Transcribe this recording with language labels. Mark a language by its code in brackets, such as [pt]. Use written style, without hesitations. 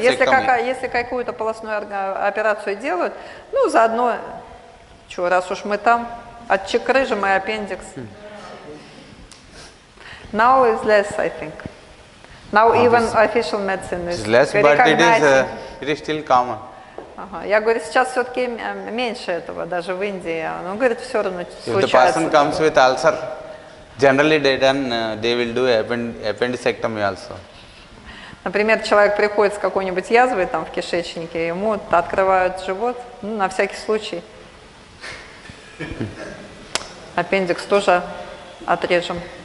[ru] Если какую-то полостную операцию делают, ну заодно, что раз уж мы там, отчекрыжим и аппендикс. [en] Now is less, I think. Now even official medicine is less, but it is still common. [ru] Я говорю, сейчас все-таки меньше этого, даже в Индии. Он говорит, все равно случается. [en] If the person comes with ulcer, generally they will do appendicectomy also. [ru] Например, человек приходит с какой-нибудь язвой там в кишечнике, ему открывают живот, ну, на всякий случай. Аппендикс тоже отрежем.